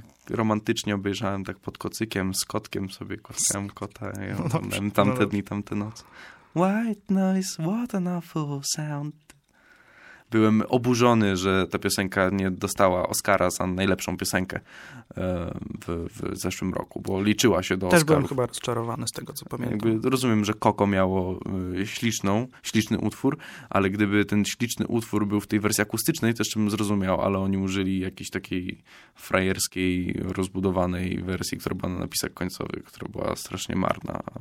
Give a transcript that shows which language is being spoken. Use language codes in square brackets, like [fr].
[pl] Romantycznie obejrzałem tak pod kocykiem, z kotkiem sobie, kłaskałem kota. Ja oglądałem tamte dni, tamte noce. [en] White noise, what an awful sound. [pl] Byłem oburzony, że ta piosenka nie dostała Oscara za najlepszą piosenkę w zeszłym roku, bo liczyła się do Też Oscarów. Też byłem chyba rozczarowany z tego, co pamiętam. Jakby rozumiem, że Coco miało śliczny utwór, ale gdyby ten śliczny utwór był w tej wersji akustycznej, to jeszcze bym zrozumiał, ale oni użyli jakiejś takiej frajerskiej, rozbudowanej wersji, która była na napisach końcowych, która była strasznie marna.